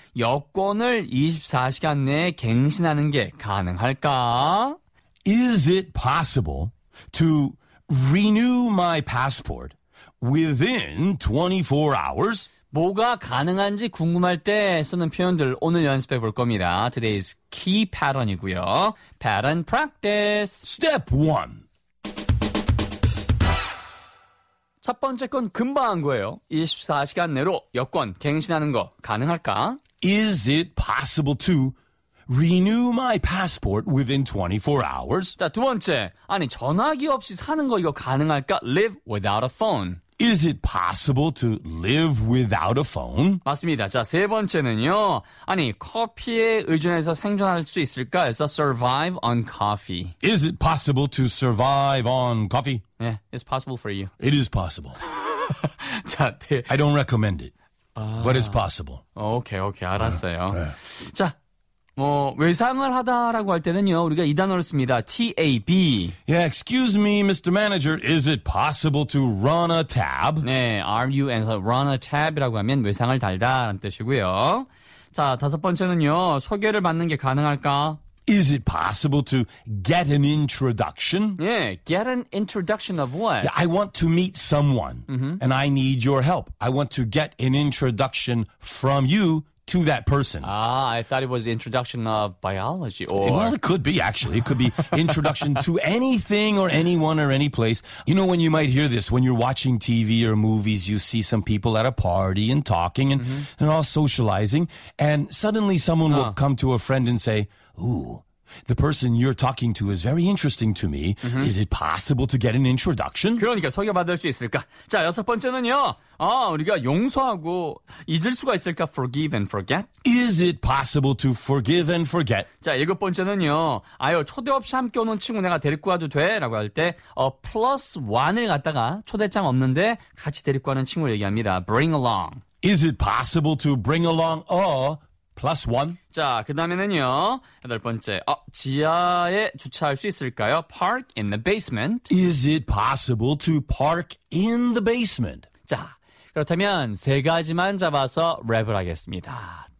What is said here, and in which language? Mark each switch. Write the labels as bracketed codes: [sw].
[ko] 여권을 24시간 내에 갱신하는 게 가능할까? [en] Is it possible to renew my passport within 24 hours? [ko] 뭐가 가능한지 궁금할 때 쓰는 표현들 오늘 연습해 볼 겁니다. [en] Today's key pattern이고요. Pattern practice. Step 1. [ko] 첫 번째 건 금방 한 거예요. 24시간 내로 여권 갱신하는 거 가능할까? [en] Is it possible to renew my passport within 24 hours? [ko] 자, 두 번째. 아니, 전화기 없이 사는 거 이거 가능할까? [en] Live without a phone. Is it possible to live without a phone? [ko] 맞습니다. 자, 세 번째는요. 아니, 커피에 의존해서 생존할 수 있을까? [en] It's a survive on coffee. Is it possible to survive on coffee? Yeah, it's possible for you. It is possible. [ko] 자, 네. [en] I don't recommend it, but it's possible. [ko] 오케이, 오케이, 알았어요. 네. 자, 뭐 외상을 하다라고 할 때는요. 우리가 이 단어를 씁니다. [en] TAB. Yeah, excuse me, Mr. Manager. Is it possible to run a tab? [ko] 네, [en] RUN, run a tab [ko] 이라고 하면 외상을 달다라는 뜻이고요. 자, 다섯 번째는요. 소개를 받는 게 가능할까? [en] Is it possible to get an introduction? 네, get an introduction of what? Yeah, I want to meet someone mm-hmm. and I need your help. I want to get an introduction from you. To that person. Ah, I thought it was introduction of biology or... Well, it could be, actually. It could be introduction to anything or anyone or any place. You know, when you might hear this, when you're watching TV or movies, you see some people at a party and talking and, mm-hmm. and all socializing. And suddenly someone will come to a friend and say, ooh, the person you're talking to is very interesting to me. Mm-hmm. Is it possible to get an introduction? [ko] 그러니까 소개받을 수 있을까? 자, 여섯 번째는요. 아, 우리가 용서하고 잊을 수가 있을까? [en] Forgive and forget. Is it possible to forgive and forget? [ko] 자, 일곱 번째는요. 아유, 초대 없이 함께 오는 친구 내가 데리고 와도 돼? 라고 할 때 plus one을 갖다가 초대장 없는데 같이 데리고 가는 친구를 얘기합니다. [en] Bring along. Is it possible to bring along a... Plus one. [ko] 자, 그 다음에는요. 여덟 번째. 지하에 주차할 수 있을까요? [en] Park in the basement. Is it possible to park in the basement? [ko] 자, 그렇다면 세 가지만 잡아서 랩을 하겠습니다.